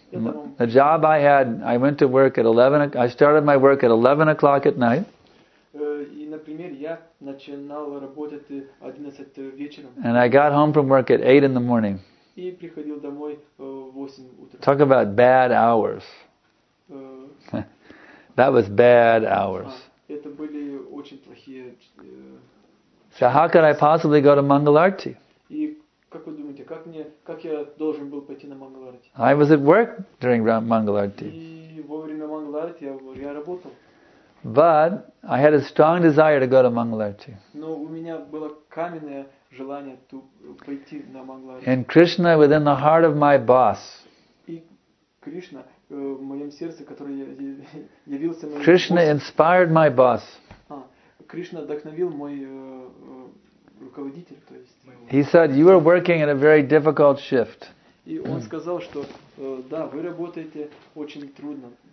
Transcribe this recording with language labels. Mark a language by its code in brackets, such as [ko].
[en] The job I had, I went to work at 11. I started my work at 11 o'clock at night. [ru] И, например, я начинал работать 11 вечером. [en] And I got home from work at 8 in the morning. [ru] И приходил домой в 8 утра. [en] Talk about bad hours. That was bad hours. [ru] Это были очень плохие. [en] So how could I possibly go to Mangalarti? [ru] Как вы думаете, как я должен был пойти на Мангаларти? [en] I was at work during Мангаларти. [ru] И во время Мангаларти я работал. [en] But I had a strong desire to go to Мангаларти. [ru] Но у меня было каменное желание пойти на Мангаларти. [en] And Krishna within the heart of my boss. [ru] И Кришна в моем сердце, который явился моим. [en] Krishna inspired my boss. [ru] Кришна вдохновил мой руководитель, то есть. [en] He said, "You are working in a very difficult shift." [ru] И он сказал, что да, вы работаете очень трудно.